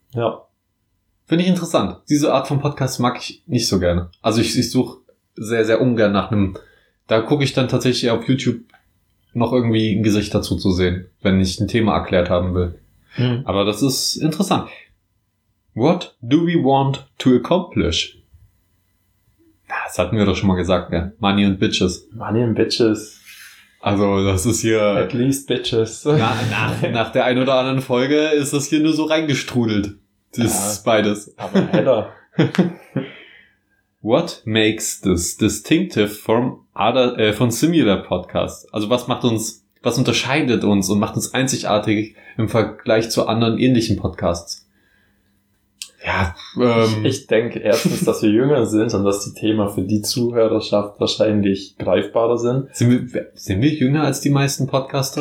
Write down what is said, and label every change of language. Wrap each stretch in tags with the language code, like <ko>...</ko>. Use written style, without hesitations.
<de>Ja. Finde ich interessant. Diese Art von Podcast mag ich nicht so gerne. Also ich suche sehr, sehr ungern nach einem. Da gucke ich dann tatsächlich auf YouTube noch irgendwie ein Gesicht dazu zu sehen, wenn ich ein Thema erklärt haben will. Mhm. Aber das ist interessant.</de> <en>What do we want to accomplish?</en> <de>Das hatten wir doch schon mal gesagt, ja.</de> <en>Money and Bitches. Money and Bitches.</en> <de>Also das ist hier...</de> <en>At least Bitches.</en> <de>Nach der einen oder anderen Folge ist das hier nur so reingestrudelt. Das ist beides. Aber heller.</de> <en>What makes this distinctive from other, von similar podcasts?</en> <de>Also was macht uns, was unterscheidet uns und macht uns einzigartig im Vergleich zu anderen ähnlichen Podcasts? Ja, ich denke erstens, dass wir jünger sind und dass die Themen für die Zuhörerschaft wahrscheinlich greifbarer sind. Sind wir jünger als die meisten Podcaster?</de>